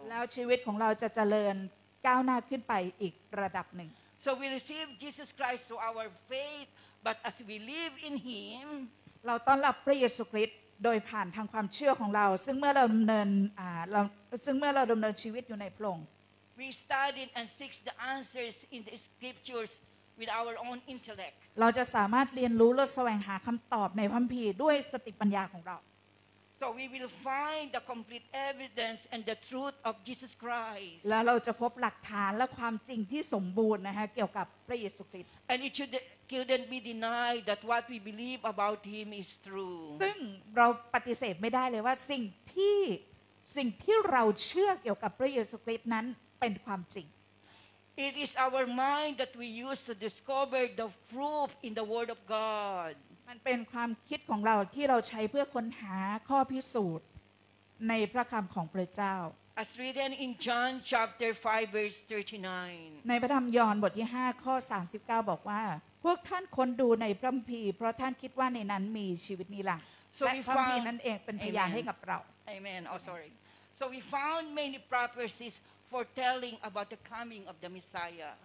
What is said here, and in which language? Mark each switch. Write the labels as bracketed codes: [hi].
[th] แล้วชีวิตของเราจะเจริญก้าวหน้าขึ้นไปอีกระดับหนึ่ง [en] So we receive Jesus Christ to our faith, but as we live in Him, [th] เราต้อนรับพระเยซูคริสต์โดยผ่านทางความเชื่อของเราซึ่งเมื่อเราดำเนินดำเนินชีวิตอยู่ในพระองค์ [en] We study and seek the answers in the scriptures with our own intellect [th] เราจะสามารถเรียนรู้และแสวงหาคำตอบในพระคัมภีร์ด้วยสติปัญญาของเรา [en] So we will find the complete evidence and the truth of Jesus Christ [th] และเราจะพบหลักฐานและความจริงที่สมบูรณ์นะฮะเกี่ยวกับพระเยซูคริสต์ [en] And it shouldcouldn't be denied that what we believe about him is true [th] ซึ่งเราปฏิเสธไม่ได้เลยว่าสิ่งที่เราเชื่อเกี่ยวกับพระเยซูคริสต์นั้นเป็นความจริง [en] It is our mind that we use to discover the proof in the word of God [th] มันเป็นความคิดของเราที่เราใช้เพื่อค้นหาข้อพิสูจน์ในพระคําของพระเจ้า [en] As written in John chapter 5 verse 39 [th] ในพระธรรมยอห์นบทที่5ข้อ39บอกว่าพวกท่านค้นดูในพระคัมภีร์เพราะท่านคิดว่าในนั้นมีชีวิตนิรันดร์ so และพระคัมภีร์นั้นเองเป็นพยานให้กับเรา [en] Amen oh sorry So we found many prophecies foretelling about the coming of the Messiah